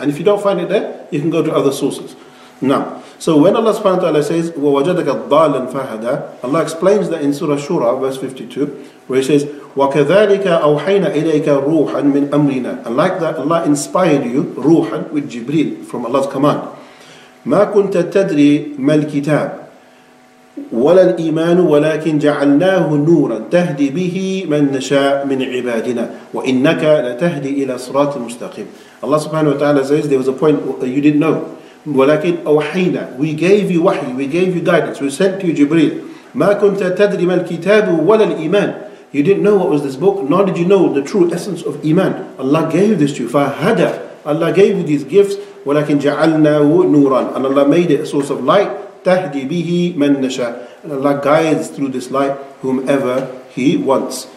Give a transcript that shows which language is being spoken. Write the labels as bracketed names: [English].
[English] And if you don't find it there, you can go to other sources. Now, so when Allah subhanahu wa ta'ala says, [Arabic] وَوَجَدَكَ ضَالًا فَهَدَى, [English] Allah explains that in Surah Shura, verse 52, where He says, [Arabic] وَكَذَلِكَ أَوْحَيْنَا إِلَيْكَ رُوحًا مِنْ أَمْرِنَا. [English] And like that, Allah inspired you, ruhan, with Jibreel, from Allah's command. [Arabic] مَا كُنْتَ تَدْرِي مَا الْكِتَابِ ولا الإيمان ولكن جعلناه نورا تهدي به من نشاء من عبادنا وإنك لتهدي إلى صراط مستقيم. [English] Allah subhanahu wa ta'ala says there was a point you didn't know. [Arabic] ولكن أوحينا, [English] we gave you wahi, we gave you guidance, we sent you Jibreel. [Arabic] ما كنت تدري ما الكتاب ولا الإيمان. [English] You didn't know what was this book, nor did you know the true essence of iman. Allah gave this to you. [Arabic] فهدى, [English] Allah gave you these gifts. [Arabic] ولكن جعلناه نورا, [English] and Allah made it a source of light. [Arabic] تَهْدِي بِهِ مَنْ نَشَاءَ, [English] and Allah guides through this light whomever He wants.